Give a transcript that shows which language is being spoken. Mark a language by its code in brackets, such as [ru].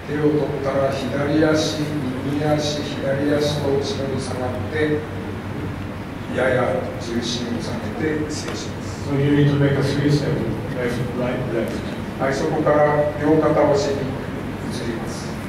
[ja] ったら左足、右足、左足と後ろに下がって、やや重心を下げて静止します。So [en] you need to make a three step, left, right, left. [ja] はい、そこから両肩押しに移ります。